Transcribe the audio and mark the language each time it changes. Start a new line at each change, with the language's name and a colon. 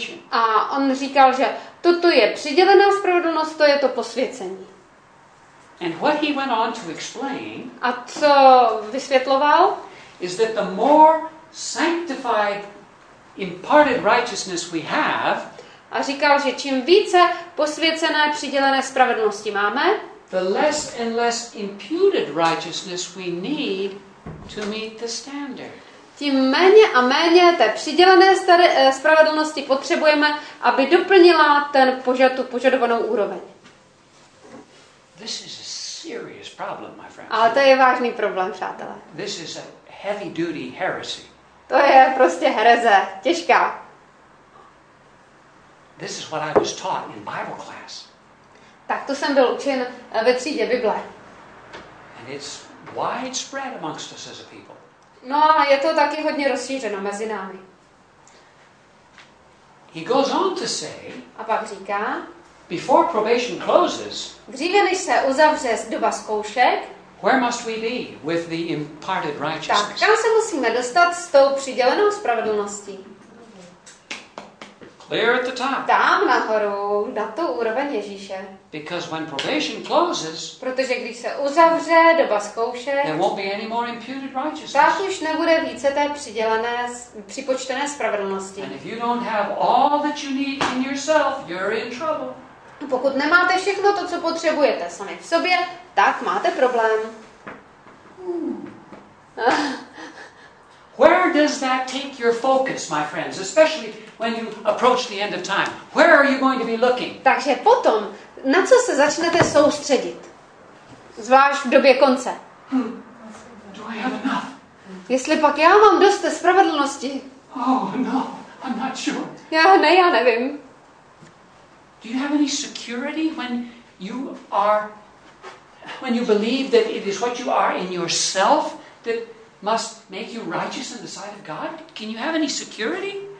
Czech: A on říkal, že toto je přidělená spravedlnost, to je to posvěcení.
English: And what he went on to explain,
Czech: a co vysvětloval?
English: Is that the more sanctified, imparted righteousness we have,
Czech: a říkal, že čím více posvěcené přidělené spravedlnosti máme,
English: the less and less imputed righteousness we need to meet the standard.
Czech: Tím méně a méně té přidělené spravedlnosti potřebujeme, aby doplnila ten požadovanou úroveň.
English: This is a serious problem, my friend.
Czech: Ale to je vážný problém, přátelé.
English: This is a heavy duty heresy.
Czech: To je prostě hereze, těžká.
English: This is what I was taught in Bible class.
Czech: Tak to jsem byl učen ve třídě Bible.
English: And it's widespread amongst us as a people.
Czech: No a je to taky hodně rozšířeno mezi námi.
English: He goes on to say,
Czech: a pak říká,
English: Before probation closes.
Czech: Dříve než se uzavře doba zkoušek.
English: Where must we be with the imparted righteousness?
Czech: Tak, kam se musíme dostat s tou přidělenou spravedlností?
English: Clear at the top.
Czech: Tam nahoru, na tu úroveň Ježíše.
English: Because when probation closes.
Czech: Protože když se uzavře doba zkoušek.
English: There won't be any more imputed righteousness.
Czech: Tak už nebude více té přidělené, připočtené spravedlnosti.
English: And if you don't have all that you need in yourself, you're in trouble.
Czech: Pokud nemáte všechno to, co potřebujete sami v sobě, tak máte problém.
English: Where does that take your focus, my friends, especially when you approach the end of time? Where are you going to be looking?
Czech: Takže potom, na co se začnete soustředit? Zvlášť v době konce.
English: Do I have enough?
Czech: Jestli pak já mám dost spravedlnosti.
English: Oh, no, I'm not sure.
Czech: Já nevím.
English: Do you have any security when you believe that it is what you are in yourself that must make you righteous in the sight of God? Can you have any security?